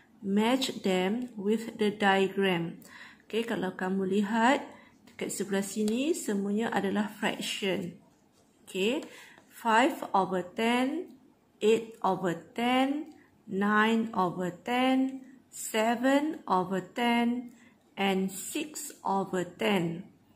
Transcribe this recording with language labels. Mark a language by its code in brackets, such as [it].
[en] Match them with the diagram. [ms] Okay, kalau kamu lihat dekat sebelah sini, semuanya adalah fraction. [en] Okay, 5 over 10, 8 over 10, 9 over 10, 7 over 10, and 6 over 10.